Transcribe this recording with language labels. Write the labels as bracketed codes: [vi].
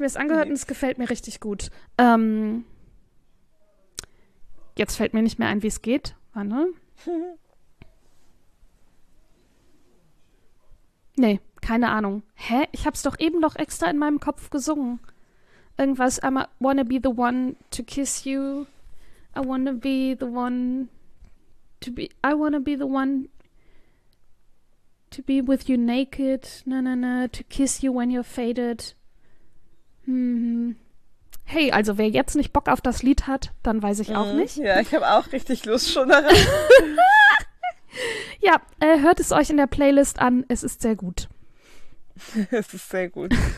[de] mir es angehört und es lief. gefällt mir richtig gut. Jetzt fällt mir nicht mehr ein, wie es geht. Warte. Nee, keine Ahnung. Hä? Ich habe es doch eben noch extra in meinem Kopf gesungen. [en] Irgendwas, I wanna be the one to kiss you. I wanna be the one to be. I wanna be the one to be with you naked. Na na na. To kiss you when you're faded. [de] Hey, also wer jetzt nicht Bock auf das Lied hat, dann weiß ich auch nicht. Ja, ich habe auch richtig Lust schon daran. Ja, hört es euch in der Playlist an. Es ist sehr gut. Es ist sehr gut.